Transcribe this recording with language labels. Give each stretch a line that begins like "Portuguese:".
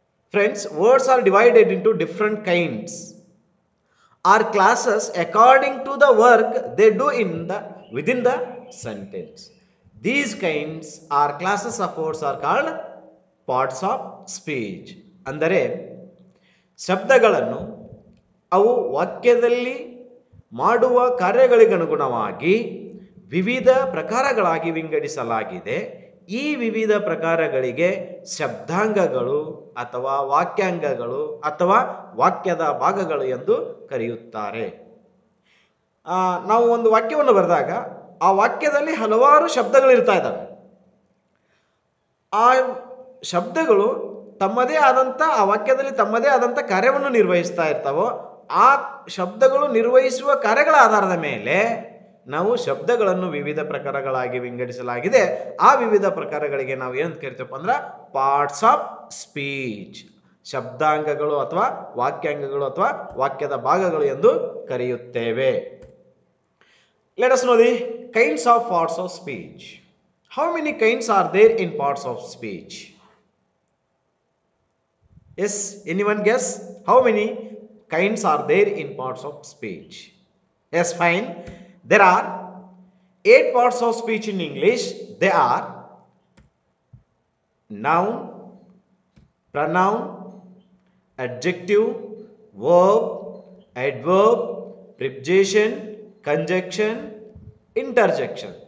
English: Friends, words are divided into different kinds or classes according to the work they do within the sentence. These kinds or classes of words are called parts of speech.
Kannada: Andare, ಶಬ್ದಗಳನ್ನು ಅವು ವಾಕ್ಯದಲ್ಲಿ ಮಾಡುವ ಕಾರ್ಯಗಳಿಗನುಗುಣವಾಗಿ ವಿವಿಧ ಪ್ರಕಾರಗಳಾಗಿ ವಿಂಗಡಿಸಲಾಗಿದೆ. ಈ ವಿವಿಧ ಪ್ರಕಾರಗಳಿಗೆ ಶಬ್ದಾಂಗಗಳು ಅಥವಾ ವಾಕ್ಯಾಂಗಗಳು ಅಥವಾ ವಾಕ್ಯದ ಭಾಗಗಳು ಎಂದು ಕರೆಯುತ್ತಾರೆ. ನಾವು ಒಂದು ವಾಕ್ಯವನ್ನು ಬರೆದಾಗ ಆ ವಾಕ್ಯದಲ್ಲಿ ಹಲವಾರು ಶಬ್ದಗಳಿರ್ತಾ ಇದ್ದಾವೆ. ಆ ಶಬ್ದಗಳು ತಮ್ಮದೇ ಆದಂಥ ಆ ವಾಕ್ಯದಲ್ಲಿ ತಮ್ಮದೇ ಆದಂಥ ಕಾರ್ಯವನ್ನು ನಿರ್ವಹಿಸ್ತಾ ಇರ್ತಾವೋ, ಆ ಶಬ್ದಗಳು ನಿರ್ವಹಿಸುವ ಕಾರ್ಯಗಳ ಆಧಾರದ ಮೇಲೆ ನಾವು ಶಬ್ದಗಳನ್ನು ವಿವಿಧ ಪ್ರಕಾರಗಳಾಗಿ ವಿಂಗಡಿಸಲಾಗಿದೆ. ಆ ವಿವಿಧ ಪ್ರಕಾರಗಳಿಗೆ ನಾವು ಏನಂತ ಕರಿತೇವಪ್ಪ ಅಂದ್ರೆ ಪಾರ್ಟ್ಸ್ ಆಫ್ ಸ್ಪೀಚ್, ಶಬ್ದಾಂಗಗಳು ಅಥವಾ ವಾಕ್ಯಾಂಗಗಳು ಅಥವಾ ವಾಕ್ಯದ ಭಾಗಗಳು ಎಂದು ಕರೆಯುತ್ತೇವೆ.
English: Let us know the kinds of parts of speech. How many kinds are there in parts of speech? Yes, anyone guess how many kinds are there in parts of speech? Yes, fine. There are 8 parts of speech in English. They are noun, pronoun, adjective, verb, adverb, preposition, conjunction, interjection.